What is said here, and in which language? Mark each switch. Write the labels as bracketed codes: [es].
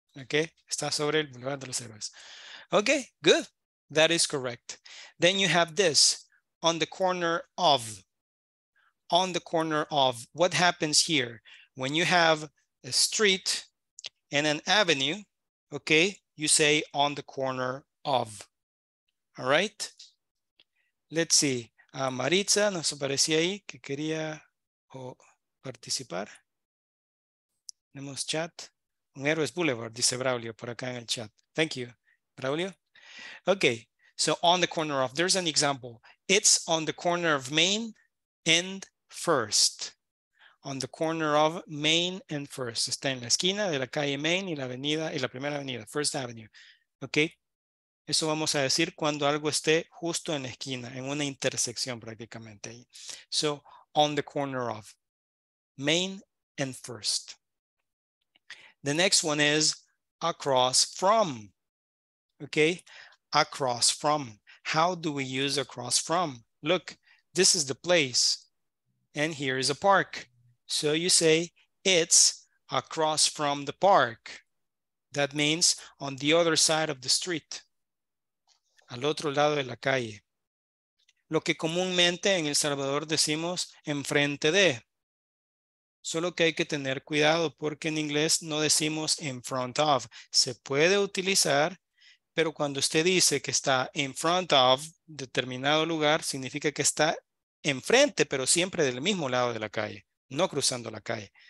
[es] Okay, está sobre el Boulevard de los Héroes. [en] Okay, good. That is correct. Then you have this, on the corner of. On the corner of. What happens here? When you have a street and an avenue, okay, you say on the corner of. All right? Let's see. [es] Maritza, nos aparecía ahí que quería... participar. Tenemos chat. Un Héroes Boulevard, dice Braulio, por acá en el chat. [en] Thank you, Braulio. Okay, so on the corner of, there's an example. It's on the corner of Main and First. On the corner of Main and First. [es] Está en la esquina de la calle Main y la avenida, y la primera avenida, First Avenue. Okay, eso vamos a decir cuando algo esté justo en la esquina, en una intersección prácticamente. [en] So, on the corner of. Main and First. The next one is across from. Okay, across from. How do we use across from? Look, this is the place. and here is a park. So you say, it's across from the park. That means on the other side of the street. [es] Al otro lado de la calle. Lo que comúnmente en El Salvador decimos enfrente de. Solo que hay que tener cuidado porque en inglés no decimos in front of. Se puede utilizar, pero cuando usted dice que está in front of determinado lugar, significa que está enfrente, pero siempre del mismo lado de la calle, no cruzando la calle.